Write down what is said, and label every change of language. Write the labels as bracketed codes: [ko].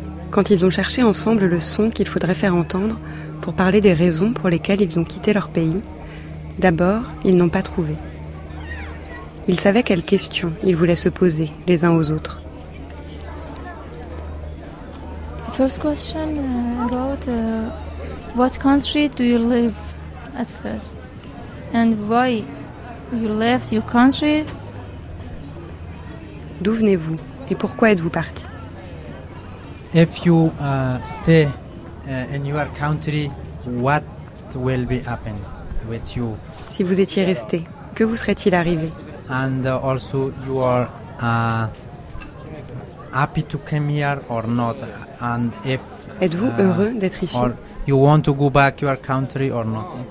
[fr] Quand ils ont cherché ensemble le son qu'il faudrait faire entendre pour parler des raisons pour lesquelles ils ont quitté leur pays, d'abord, ils n'ont pas trouvé. Ils savaient quelles questions ils voulaient se poser les uns aux autres. [en] First question about what country do you live at first and why you left your country? [fr] D'où venez-vous et pourquoi êtes-vous parti? [en] If you stay in your country, what will be happen with you? [fr] Si vous étiez resté, que vous serait-il arrivé? [en] And also you are happy to come here or not? And if, [fr] êtes-vous heureux d'être ici? [en] You want to go back your country or not?